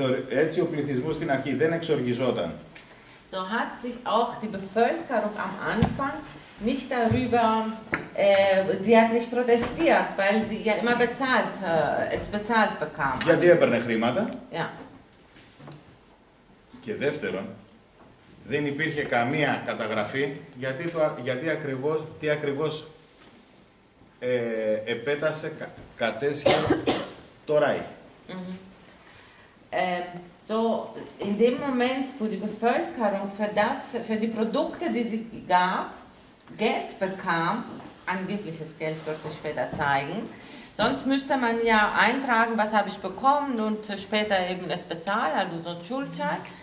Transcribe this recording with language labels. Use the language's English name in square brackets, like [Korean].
[Greek] Έτσι ο πληθυσμός στην αρχή δεν εξοργιζόταν. [German] So hat sich auch die Bevölkerung am Anfang nicht darüber, die hat nicht protestiert, weil sie ja immer bezahlt, es bezahlt bekam. [Greek] Γιατί έπαιρνε χρήματα. [German] Ja. [Greek] Και δεύτερον, δεν υπήρχε καμία καταγραφή γιατί, γιατί ακριβώς, τι ακριβώς επέτασε, κατέσχε το Ράιχ. [German] So in dem Moment, wo die Bevölkerung für die Produkte, die sie gab, Geld bekam, angebliches Geld wird sich später zeigen, sonst müsste man ja eintragen, was habe ich bekommen und später eben es bezahlen, also so ein Schuldschein.